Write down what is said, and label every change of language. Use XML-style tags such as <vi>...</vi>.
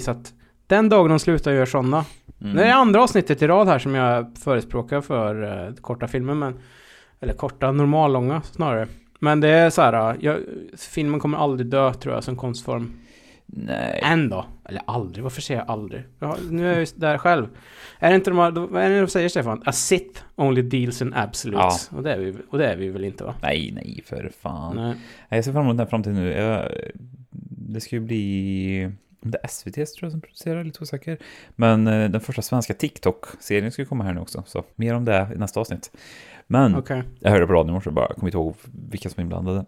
<sv>Så att den dagen de slutar göra såna. Nu är det andra avsnittet i rad här som jag förespråkar för korta filmer, men, eller korta, normallånga snarare. Men det är så här, filmen kommer aldrig dö, tror jag, som konstform. Nej. Ändå. Eller aldrig, varför säger jag aldrig? Nu är jag där själv. Är det inte de säger, Stefan?</sv> <en>A Sith only deals in absolutes.</en> <sv>Ja. Och det är vi väl inte, va? Nej, för fan. Nej. Jag ser fram emot den här framtiden nu. Det ska ju bli... Det är SVT tror jag som producerar, lite osäker. Men den första svenska TikTok-serien ska ju komma här nu också. Så mer om det i nästa avsnitt. Men Okay. Jag hörde på radion, så jag bara kom inte ihåg vilka som är inblandade.</sv>